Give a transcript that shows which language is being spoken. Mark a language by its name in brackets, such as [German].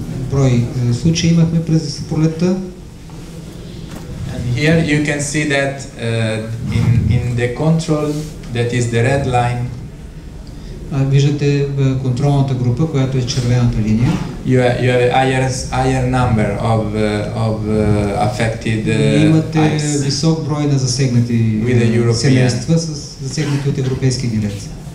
[Bulgarian] брой случаи имахме през пролетта. [English] And here you can see that in the control that is the red line. [Bulgarian] Виждате контролната група, която е червената линия. [English] You have higher number of affected. [Bulgarian] Имате висок брой на засегнати семейства с засегнати от европейски дилец.